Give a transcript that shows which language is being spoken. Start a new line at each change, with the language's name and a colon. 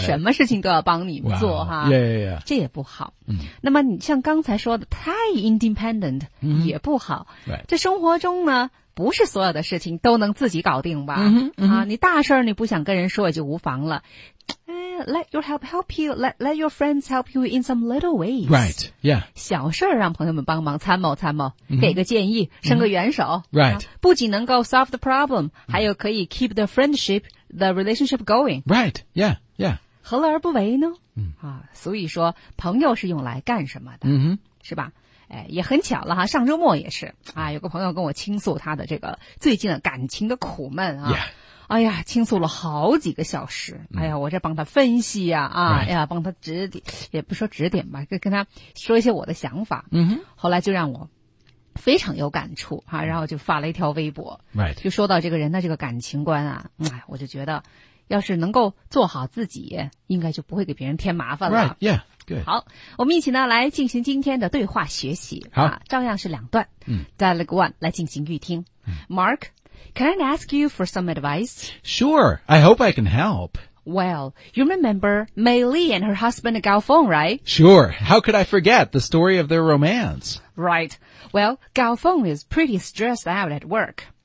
Chinese: 什么事情都要帮你们做、
English: wow. 哈。 Yeah, yeah, yeah.
Chinese: 这也不好。 Mm-hmm. 那么你像刚才说的太 independent、 mm-hmm. 也不好。
English: Right.
Chinese: 这生活中呢不是所有的事情都能自己搞定吧。 Mm-hmm, mm-hmm. 啊你大事儿你不想跟人说也就无妨了。
English: Let your help help you. Let your friends help you in some little ways. Right. Yeah.
Chinese: 小事儿让朋友们帮忙参谋参谋、mm-hmm. 给个建议伸个援手、mm-hmm.
English: 啊、Right.
Chinese: 不仅能够
English: solve the problem、
Chinese: mm-hmm. 还有可以
English: keep the friendship, the relationship going. Right. Yeah. Yeah.
Chinese: 何乐而不为呢、 mm-hmm. 啊、所以说朋友是用来干什么的、 mm-hmm. 是吧也很巧了哈上周末也是啊，有个朋友跟我倾诉他的这个最近的感情的苦闷啊。
English: Yeah.
Chinese: 哎呀倾诉了好几个小时哎呀我这帮他分析呀 啊、
English: right.
Chinese: 哎呀帮他指点也不说指点吧跟他说一些我的想法嗯、mm-hmm. 后来就让我非常有感触啊然后就发了一条微博
English: ,right,
Chinese: 就说到这个人的这个感情观啊、哎、我就觉得要是能够做好自己应该就不会给别人添麻烦了
English: ,right, yeah, good.
Chinese: 好我们一起呢来进行今天的对话学习好、啊、照样是两段嗯 ,Dialogue One 来进行预听、 mm.
English: ,Mark,Can I ask you for some advice? Sure. I hope I can help. Well, you remember Mei Li and her husband Gao Feng, right? Sure. How could I forget the story of their romance? Right. Well, Gao Feng is pretty stressed out at work.